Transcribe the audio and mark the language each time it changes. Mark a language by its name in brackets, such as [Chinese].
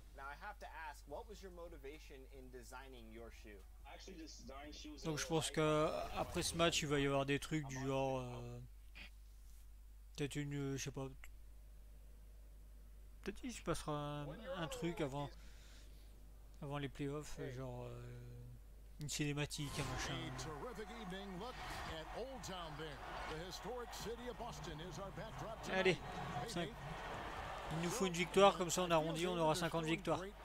[English] Now I have to ask, what was your motivation in designing your shoe? Actually, this design shoe was. [French] Donc je pense que après ce match, il va y avoir des trucs du genre peut-être une je sais pas. Peut-être il se passera un truc avant les playoffs, hey. Genre une cinématique, un machin. [English] A terrific evening. Look at Old Town there. The historic city of Boston is our backdrop. [French] Allez. Cinq. Il nous faut une victoire, comme ça on arrondit, on aura 50 victoires.